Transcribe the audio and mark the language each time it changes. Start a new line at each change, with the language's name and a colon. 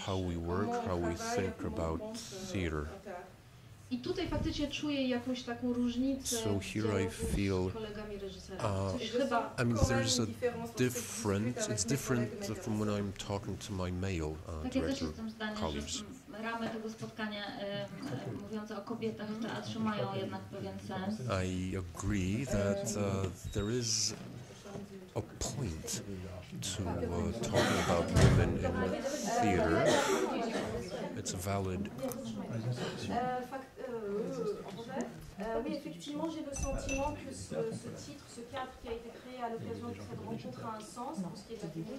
English: how we work, how we think about theater.
Polish: I tutaj faktycznie czuję jakąś taką różnicę
English: so here I feel,
Polish: z kolegami reżyserami. Coś chyba
English: it's different from when I'm talking to my male director colleagues.
Polish: Ramy tego spotkania mówiące o kobietach w teatrze mają jednak pewien sens.
English: I agree that there is a point to talking about women in theater. It's a valid.
French: Oui, effectivement, j'ai le sentiment que ce titre, ce cadre qui a été créé à l'occasion de cette rencontre a un sens pour ce qui est de la